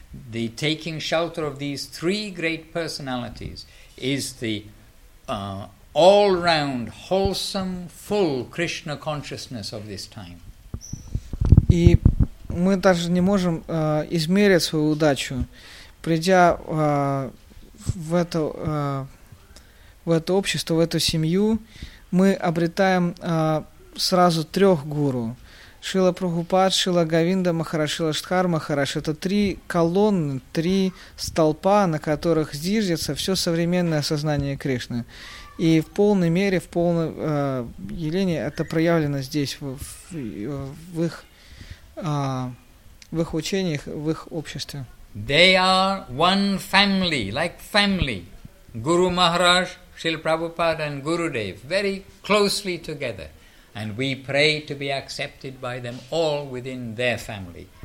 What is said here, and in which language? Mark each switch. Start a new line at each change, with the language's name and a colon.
English: The taking shelter of these three great personalities is the all-round, wholesome, full Krishna consciousness of this time.
Russian: И мы даже не можем измерить свою удачу, придя в это общество, в эту семью, мы обретаем сразу трех гуру. Шрила Прабхупада, Шрила Говинда Махарадж, Шрила Шридхар Махарадж. Это три колонны, три столпа, на которых зиждется все современное сознание Кришны. И в полной мере, в полной явлении это проявлено здесь, в их учениях, в их обществе.
English: They are one family, like family. Guru Maharaj, Шрила Прабхупада and Gurudev, very closely together. And we pray to be accepted by them all within their family.